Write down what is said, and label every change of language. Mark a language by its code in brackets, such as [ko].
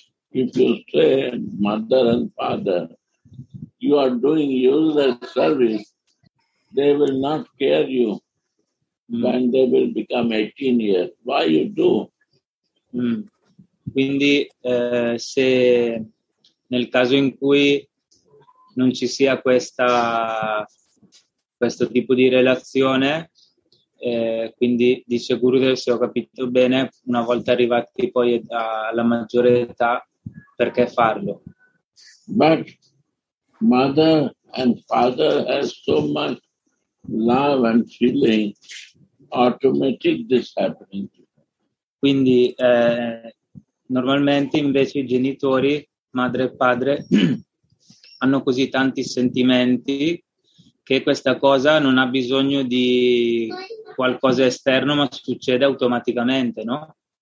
[en] If you say mother and father, you are doing useless service, they will not care you. When they will become 18 years. Why you do? [it] Quindi se nel caso in cui non ci sia questo tipo di relazione, quindi dice Gurudev, se ho capito bene, una volta arrivati poi alla maggiore età, perché farlo? [en] But mother and father has so much love and feeling. Automatic this happening. [it] Quindi normalmente invece i genitori, madre e padre, hanno così tanti sentimenti che questa cosa non ha bisogno di qualcosa esterno, ma succede automaticamente, no?